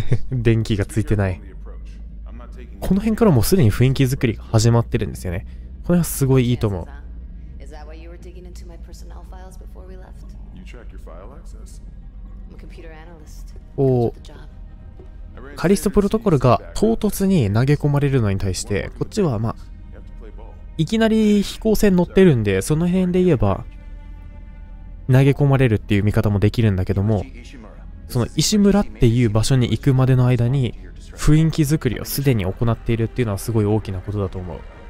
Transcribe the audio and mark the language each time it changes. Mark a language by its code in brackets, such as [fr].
[ja] 電気がついてない。この辺からもうすでに雰囲気作りが始まってるんですよね。これはすごいいいと思う。 [en] Is that why you were digging into my personnel files before we left? You track your file access? I'm a computer analyst. おお。 [ja] カリストプロトコルが唐突に投げ込まれるのに対して、こっちはまあいきなり飛行船乗ってるんで、その辺で言えば投げ込まれるっていう見方もできるんだけども、その石村っていう場所に行くまでの間に雰囲気作りをすでに行っているっていうのはすごい大きなことだと思う。